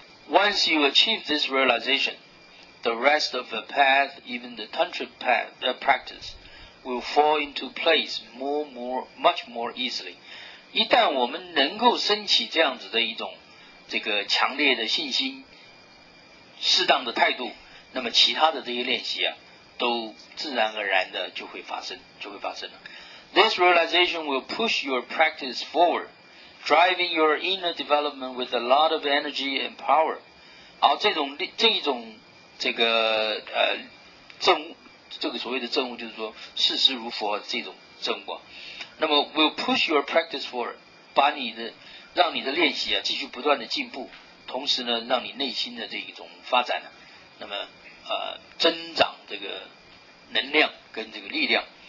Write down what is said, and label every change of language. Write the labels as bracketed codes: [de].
[en] Once you achieve this realizationThe rest of the path, even the tantric path, practice, will fall into place much more easily. [zh] 一旦我们能够升起这样子的一种这个强烈的信心，适当的态度，那么其他的这些练习啊，都自然而然的就会发生了。 [en] This realization will push your practice forward, driving your inner development with a lot of energy and power. [zh] 而这一种这个证悟，这个所谓的证悟就是说世师如佛这种证悟，那么 [en] will push your practice forward， [zh] 把你的让你的练习啊继续不断的进步，同时呢让你内心的这一种发展呢、啊、那么增长这个能量跟这个力量。